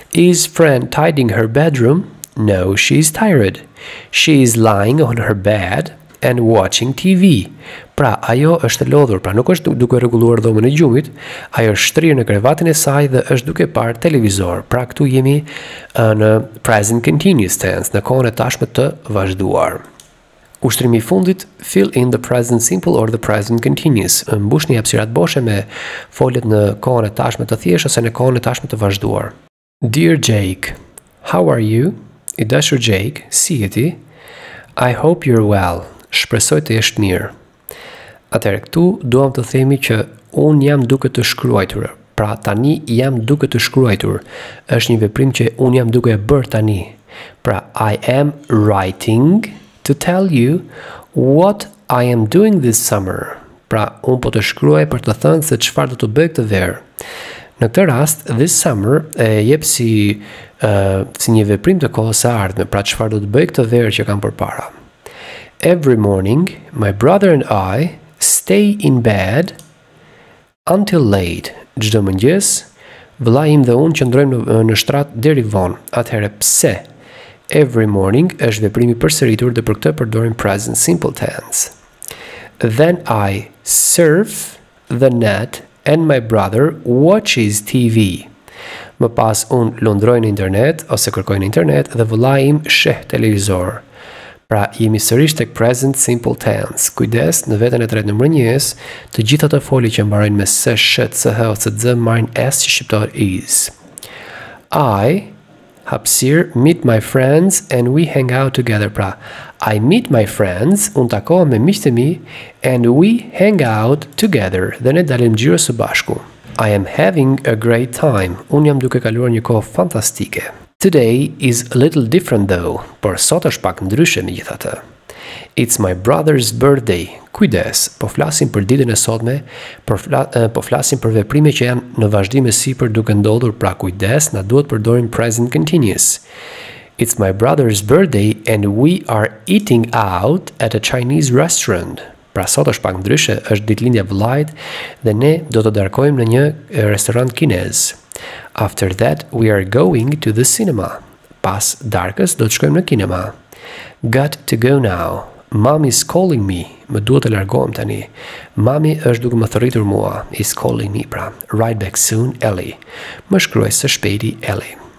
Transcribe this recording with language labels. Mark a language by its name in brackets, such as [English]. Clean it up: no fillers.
[English] Is Fran tidying her bedroom? No, she is tired. She is lying on her bed. and watching TV. [Albanian] Pra, ajo është lodhur, pra nuk është duke rregulluar dhomën e gjumit, ajo është shtrirë në krevatin e saj dhe është duke parë televizor. Pra, këtu jemi në present continuous tense, në kohën e tashme të vazhduar. Ushtrimi fundit, [English] fill in the present simple or the present continuous. [Albanian] Mbushni hapësirat boshe me foljet në kohën e tashme të thjesht ose në kohën e tashme të vazhduar. [English] Dear Jake, how are you? [Albanian] I dashur Jake, si jeti? [English] I hope you're well. [Albanian] Shpresoj të jesh mirë. Atëherë këtu duam të themi që un jam duke të shkruajtur. Pra tani jam duke të shkruajtur. Është një veprim që un jam duke e bër tani. [English] Pra I am writing to tell you what I am doing this summer. [Albanian] Pra un po të shkruaj për të thënë se çfarë do të bëj këtë verë. Në këtë rast, [English] this summer, [Albanian] e jep si një veprim të kohës së ardhme, pra çfarë do të bëj këtë verë që kam përpara. [English] Every morning, my brother and I stay in bed until late. [Albanian] Çdo mëngjes, vëllai im dhe unë qëndrojmë në shtrat deri vonë. Atëherë pse? [English] Every morning [Albanian] është veprimi përsëritur dhe për këtë përdorim present simple tense. [English] Then I surf the net and my brother watches TV. [Albanian] Më pas unë lundroj në internet ose kërkoj në internet dhe vëllai im sheh televizor. Pra jemi sërish tek present simple tense. Kujdes në veten e tretë në mbrojes, të gjitha të folje që mbarojnë me s, sh, c, h ose z marrin s që shqiptar is. [English] I hapsir meet my friends and we hang out together. Pra I meet my friends, [Albanian] unë takohem me miqtë e mi, [English] and we hang out together. [Albanian] Dhe ne dalim xhiro së bashku. [English] I am having a great time. [Albanian] Unë jam duke kaluar një kohë fantastike. [English] Today is a little different though, [Albanian] por sot është pak ndryshe me gjithë atë. [English] It's my brother's birthday. [Albanian] Kujdes, po flasim për ditën e sotme, po flasim për veprime që janë në vazhdim e sipër duke ndodhur, pra kujdes, na duhet përdorim present continuous. [English] It's my brother's birthday and we are eating out at a Chinese restaurant. [Albanian] Pra sot është pak ndryshe, është ditëlindja e vëllait dhe ne do të darkojmë në një restorant kinez. [English] After that, we are going to the cinema. [Albanian] Pas darkës, do të shkojmë në kinema. [English] Got to go now. Mom is calling me. [Albanian] Më duhet të largohem tani. Mami është duke më thërritur mua. [English] Is calling me, [Albanian] pra. [English] Right back soon, [Albanian] Ellie. Më shkruaj së shpejti, Ellie.